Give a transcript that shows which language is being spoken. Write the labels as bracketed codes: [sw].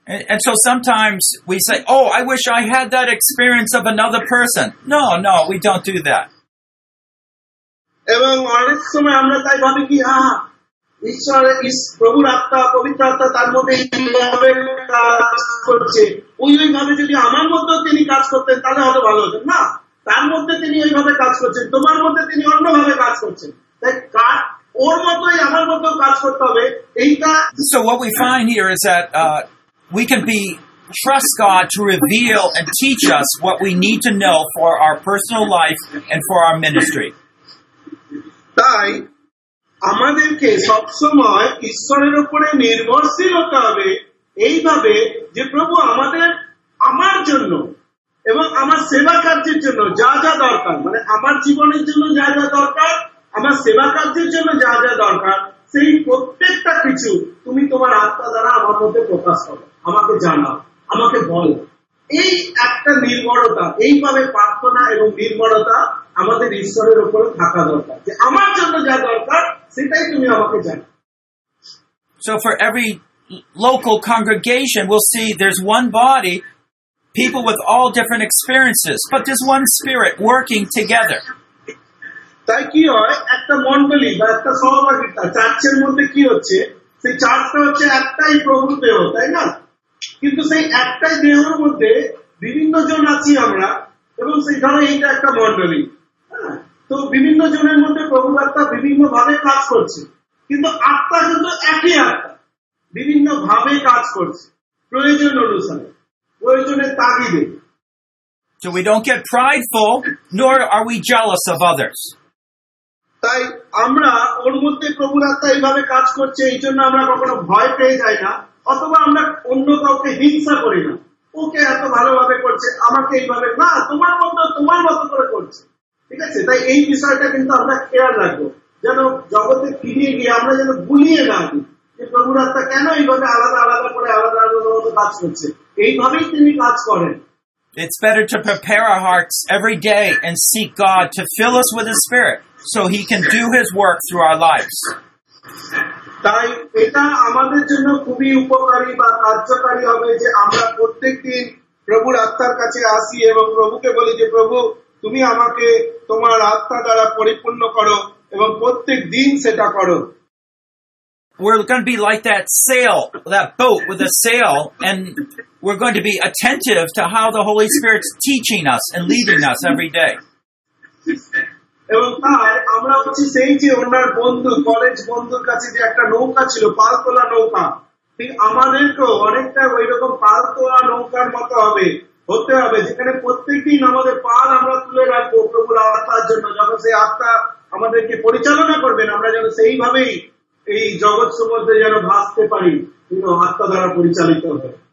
[en] And so sometimes we say, oh, I wish I had that experience of another person. No, no, we don't do that. [bn] এবং অনেক সময় আমরা তাই ভাবি কি ঈশ্বর প্রভুর আত্মা পবিত্র আত্মা তার মধ্যে কিভাবে কাজ করছে, ওই ওইভাবে যদি আমার মধ্যেও তিনি কাজ করতেন তাহলে হয়তো ভালো হতেন। না, তার মধ্যে তিনি ওইভাবে কাজ করছেন, তোমার মধ্যে তিনি অন্যভাবে কাজ করছেন, তাই ওর মতোই আমার মতো কাজ করতে হবে এইটা। [en] So what we find here is that we can be trust God to reveal and teach us what we need to know for our personal life and for our ministry. [bn] তাই আমাদেরকে সব সময় ঈশ্বরের উপরে নির্ভরশীল হতে হবে, এইভাবে যে প্রভু আমাদের আমার জন্য এবং আমার সেবা কার্যের জন্য যা যা দরকার, মানে আমার জীবনের জন্য যা যা দরকার, আমার সেবা কার্যের জন্য যা যা দরকার, সেই প্রত্যেকটা কিছু তুমি তোমার আত্মা দ্বারা আমার মধ্যে প্রকাশ করো, আমাকে জানাও, আমাকে বল। এই একটা নির্ভরতা, এইভাবে প্রার্থনা এবং নির্ভরতা আমাদের ঈশ্বরের উপরে থাকা দরকার, যে আমার জন্য যা দরকার সেটাই তুমি আমাকে জানাও। [en] So for every local congregation, we'll see there's one body, people with all different experiences, but there's one spirit working together. [bn] তাই কি হয়, একটা মণ্ডলী বা একটা সহভাগিতা চার্চের মধ্যে কি হচ্ছে, সেই চার্চটা হচ্ছে একটাই প্রভুর দেহ, তাই না? কিন্তু সেই একটাই দেহের মধ্যে বিভিন্ন জন আছি আমরা, এবং সেখানে এইটা একটা মণ্ডলী, তো বিভিন্ন জনের মধ্যে প্রভুর আত্মা বিভিন্ন ভাবে কাজ করছে, কিন্তু আত্মা কিন্তু একই আত্মা, বিভিন্ন ভাবে কাজ করছে প্রয়োজন অনুসারে, প্রয়োজনের তাগিদে। [en] So we don't get prideful, nor are we jealous of others. [bn] তাই আমরা ওর মধ্যে প্রভুর আত্মা এইভাবে কাজ করছে এই জন্য আমরা কখনো ভয় পেয়ে যাই না, অথবা আমরা অন্য কাউকে হিংসা করি না, ওকে এত ভালোভাবে করছে আমাকে এইভাবে না, তোমার মতো তোমার মতো করে করছে, ঠিক আছে? তাই এই বিষয়টা কিন্তু আমরা খেয়াল রাখবো, যেন জগতে ফিরিয়ে গিয়ে আমরা যেন ভুলিয়ে না দিই যে প্রভুর আত্মা কেন এইভাবে আলাদা আলাদা করে আলাদা আলাদা মতো কাজ করছে, এইভাবেই তিনি কাজ করেন। [en] It's better to prepare our hearts every day and seek God to fill us with His Spirit so He can do His work through our lives. [bn] তাই এটা আমাদের জন্য খুবই উপকারী বা কার্যকারী হবে যে আমরা প্রত্যেকদিন প্রভুর আত্মার কাছে আসি এবং প্রভুকে বলি যে প্রভু তুমি আমাকে তোমার আত্মা দ্বারা পরিপূর্ণ করো এবং প্রত্যেক দিন সেটা করো। [en] We're going to be like that sail, that boat with a sail, and we're going to be attentive to how the Holy Spirit's teaching us and leading us every day. [bn] এবং তাই আমরা হচ্ছি সেই যে ওনার বন্ধু, কলেজ বন্ধুর কাছে যে একটা নৌকা ছিল, পালতোলা নৌকা, ঠিক আমাদেরকেও অনেকটা ওইরকম পালতোলা নৌকার মতো হবে, হতে হবে, যেখানে প্রত্যেকদিন আমাদের পাল আমরা তুলে রাখবো প্রভুর আত্মার জন্য, যেন সেই আত্মা আমাদেরকে পরিচালনা করবেন, আমরা যেন সেইভাবেই এই জগৎ সম্বন্ধে যেন ভাসতে পারি, কিন্তু আত্মা দ্বারা পরিচালিত হবে।